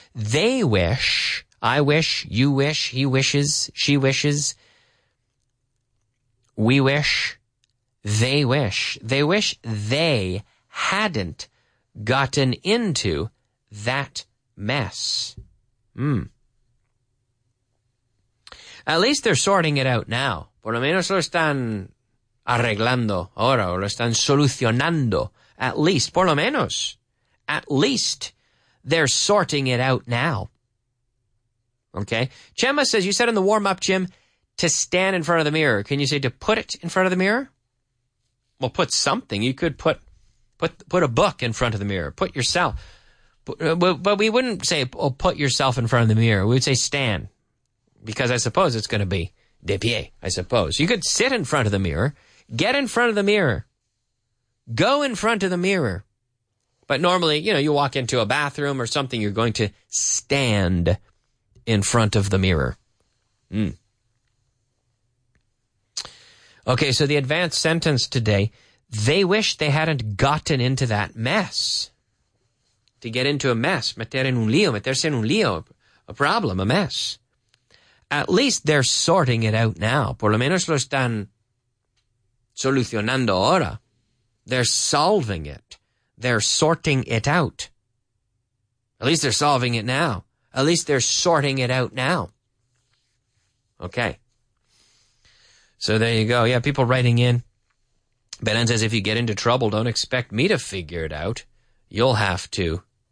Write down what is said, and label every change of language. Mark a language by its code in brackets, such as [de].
[en] They wish, I wish, you wish, he wishes, she wishes, we wish, they wish. They wish they hadn't gotten into that mess. Hmm. At least they're sorting it out now. [es] Por lo menos lo están arreglando ahora, o lo están solucionando. [en] At least, [es] por lo menos, [en] at least they're sorting it out now. Okay? Chema says, you said in the warm-up, Jim, to stand in front of the mirror. Can you say to put it in front of the mirror? Well, put something. You could put a book in front of the mirror. Put yourself. But we wouldn't say, oh, put yourself in front of the mirror. We would say stand. Because I suppose it's going to be de pie, I suppose. You could sit in front of the mirror. Get in front of the mirror. Go in front of the mirror. But normally, you know, you walk into a bathroom or something, you're going to stand in front of the mirror. Hmm. Okay, so the advanced sentence today, they wish they hadn't gotten into that mess. To get into a mess, [es] meter en un lío, meterse en un lío, [en] a problem, a mess. At least they're sorting it out now. [es] Por lo menos lo están solucionando ahora. [en] They're solving it. They're sorting it out. At least they're solving it now. At least they're sorting it out now. Okay. So there you go. Yeah, people writing in. Benen says, if you get into trouble, don't expect me to figure it out. You'll have to.